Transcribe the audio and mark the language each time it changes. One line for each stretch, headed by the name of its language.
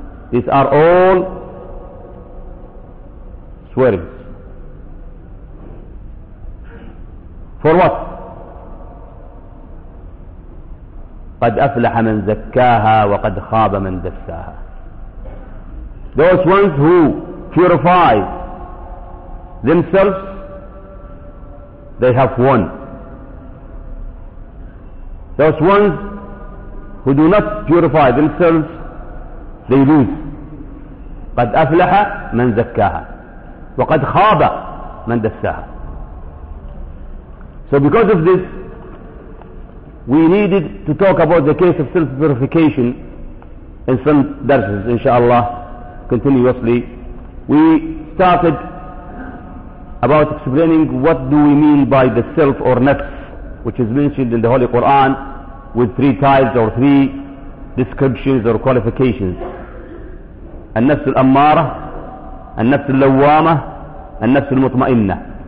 English: These are all swearings. For what?
Arabic: قد أفلح من زكاها وقد خاب من دساها.
English: Those ones who purify themselves, they have won. Those ones who do not purify themselves, they lose.
Arabic: قد أفلح من زكاها وقد خاب من دساها.
English: So because of this, we needed to talk about the case of self-purification in some verses, inshallah, continuously. We started about explaining what do we mean by the self or nafs, which is mentioned in the Holy Quran with three types or three descriptions or qualifications.
Arabic: النفس الأمارة، النفس اللوامة، النفس المطمئنة.